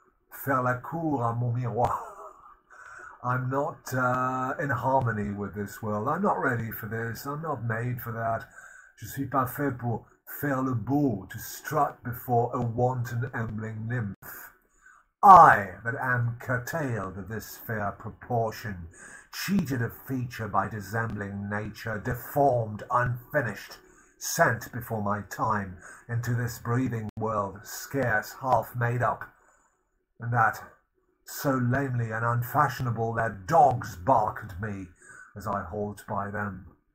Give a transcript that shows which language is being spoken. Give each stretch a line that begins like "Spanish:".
French: faire la cour à mon miroir.
English: I'm not in harmony with this world. I'm not ready for this. I'm not made for that.
French: Je suis pas fait pour faire le beau,
English: to strut before a wanton ambling nymph. I, that am curtailed of this fair proportion, cheated of feature by dissembling nature, deformed, unfinished, sent before my time into this breathing world, scarce half made up, and that so lamely and unfashionable that dogs bark at me as I halt by them.